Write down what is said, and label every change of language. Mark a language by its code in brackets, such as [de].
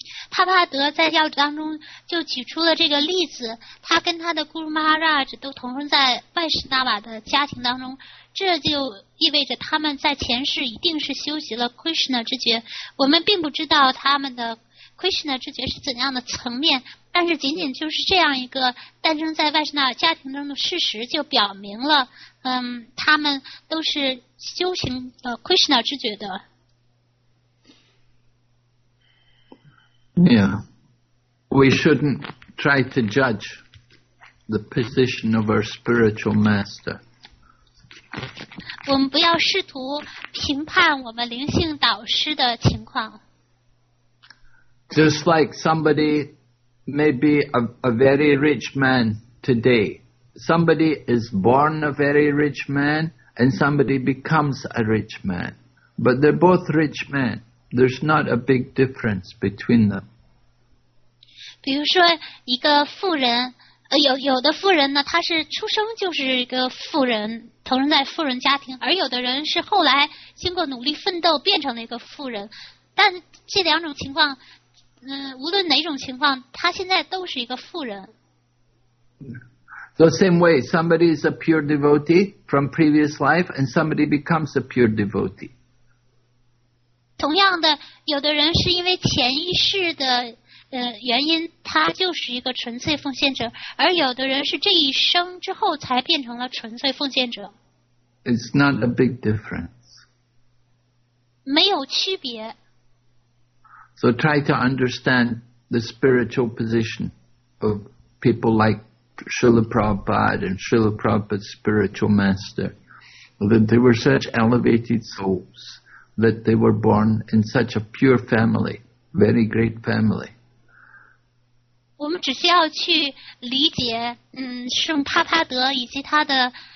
[zh] 帕帕德在要旨当中就举出了这个例子他跟他的 Guru Maharaj 都同生在拜什纳瓦的家庭当中这就意味着他们在前世一定是修习了 Krishna 之觉我们并不知道他们的 Krishna 之觉是怎样的层面但是仅仅就是这样一个诞生在拜什纳瓦家庭中的事实就表明了他们都是修行Krishna 之觉的 [en] Yeah, we shouldn't try to judge the position of our spiritual master. [zh] 我们不要试图评判我们灵性导师的情况。 [en] Just like somebody may be a very rich man today, somebody is born a very rich man and somebody becomes a rich man. But they're both rich men. There's not a big difference between them. [zh] 比如说一个富人有的富人呢他是出生就是一个富人投生在富人家庭而有的人是后来经过努力奋斗变成了一个富人但这两种情况无论哪种情况他现在都是一个富人 [en] The same way somebody is a pure devotee from previous life and somebody becomes a pure devotee [zh] 同样的有的人是因为前一世的原因他就是一个纯粹奉献者而有的人是这一生之后才变成了纯粹奉献者 [en] It's not a big difference [zh] 没有区别 [en] So try to understand the spiritual position of people like Srila Prabhupada and Srila Prabhupada's spiritual master that they were such elevated souls that they were born in such a pure family very great family [zh] 我们只需要去理解圣帕帕德以及他的